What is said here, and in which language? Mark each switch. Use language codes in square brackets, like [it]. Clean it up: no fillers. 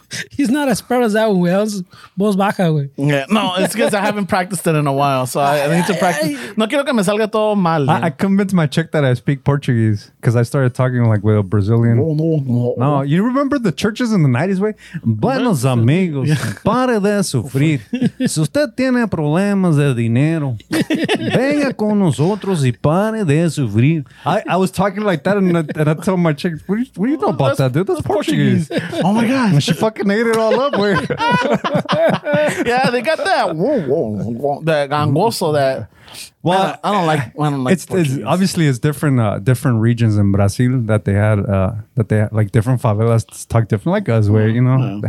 [en] He's not as proud as that one, güey. [es] Voz baja, güey. [en] Yeah, no, it's because I haven't practiced it in a while, so I need to practice. [es] No quiero que me salga todo mal. [en] I convinced my chick that I speak Portuguese because I started talking like with a Brazilian. No. You remember the churches in the 90s, güey? [es] Buenos amigos, pare de sufrir. Si usted tiene problemas de dinero, venga con nosotros y pare de sufrir. [en] I was talking like that, and I told my chick, what do you know about that, dude? That's Portuguese. Oh, my God. And she fucking ate it all up, güey. Yeah, they got that. That gangoso, that. Well, I don't like it's obviously it's different regions in Brazil that they had like different favelas talk different like us, where you know, yeah.